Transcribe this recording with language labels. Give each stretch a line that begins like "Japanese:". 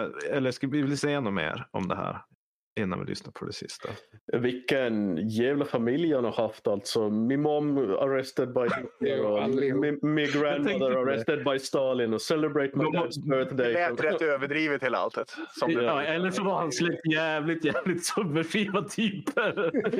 Swedish: eller ska vi säga något mer om det här innan vi lyssnar på det sista? Vilken jävla familj han har haft, alltså.
English: Min mom arrested by Hitler. Min grandmother arrested by Stalin.
Swedish: Och
English: celebrate my dad's birthday.
Swedish: Det lät rätt överdrivet hela alltet. Eller så var han släkt jävligt, jävligt subversiva typer.